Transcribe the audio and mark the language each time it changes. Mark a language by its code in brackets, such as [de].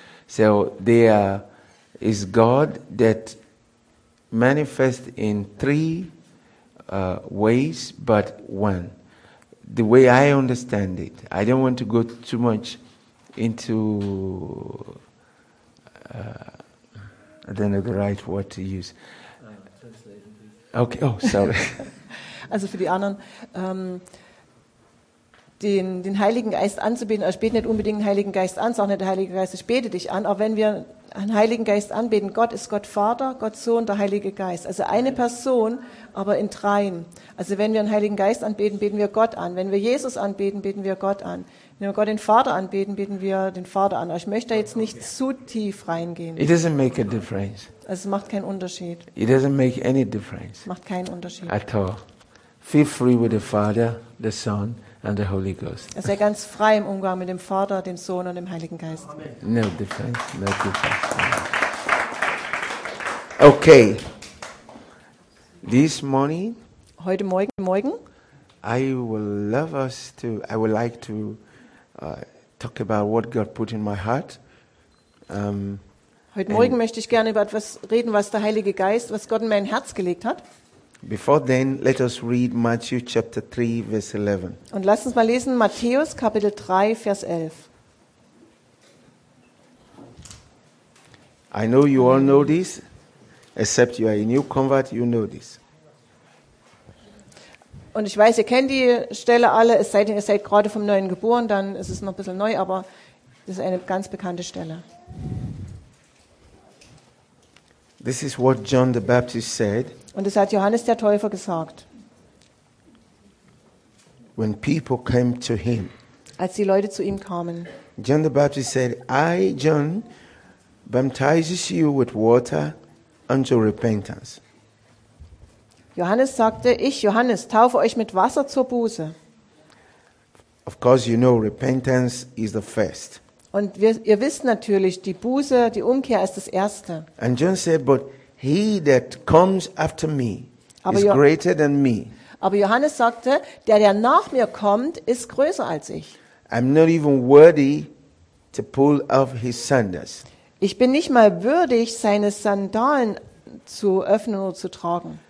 [en] So there is God that manifests in three ways, but one. The way I understand it, I don't want to go too much into, I don't know the right word to use. Okay, oh, sorry. [de] Also für die anderen, Den Heiligen Geist anzubeten, er betet nicht unbedingt den Heiligen Geist an, sondern der Heilige Geist, ich bete dich an, auch wenn wir einen Heiligen Geist anbeten, Gott ist Gott Vater, Gott Sohn, der Heilige Geist, also eine Person, aber in dreien. Also wenn wir einen Heiligen Geist anbeten, beten wir Gott an, wenn wir Jesus anbeten, beten wir Gott an, wenn wir Gott den Vater anbeten, beten wir den Vater an. Ich möchte da jetzt nicht zu tief reingehen. [en] It doesn't make a difference. [de] Also es macht keinen Unterschied. [en] It doesn't make any difference. [de] Macht keinen Unterschied. [en] At all. Feel free with the Father, the Son, and the Holy Ghost. [de] Er ist ganz frei im Umgang mit dem Vater, dem Sohn und dem Heiligen Geist. [en] Amen. No difference, no difference. Okay. This morning. [de] Heute Morgen. [en] I would like to talk about what God put in my heart. [de] Heute Morgen möchte ich gerne über etwas reden, was der Heilige Geist, was Gott in mein Herz gelegt hat. [en] Before then, let us read Matthew chapter 3, verse 11. [de] Und lasst uns mal lesen, Matthäus, Kapitel 3, Vers 11. [en] I know you all know this, except you are a new convert, you know this. [de] Und ich weiß, ihr kennt die Stelle alle, es sei denn, ihr seid gerade vom Neuen geboren, dann ist es noch ein bisschen neu, aber das ist eine ganz bekannte Stelle. [en] This is what John the Baptist said. [de] Und es hat Johannes der Täufer gesagt. [en] When people came to him. [de] Als die Leute zu ihm kamen. [en] John the Baptist said, I, John, baptize you with water unto repentance. [de] Johannes sagte, ich, Johannes, taufe euch mit Wasser zur Buße. [en] Of course you know repentance is the first. [de] Und ihr wisst natürlich, die Buße, die Umkehr ist das Erste. [en] And John said, but he that comes after me is greater than me. [de] Aber Johannes sagte, der nach mir kommt, ist größer als ich. [en] I'm not even worthy to pull off his sandals. [de] Ich bin nicht mal würdig, seine Sandalen zu öffnen oder zu tragen.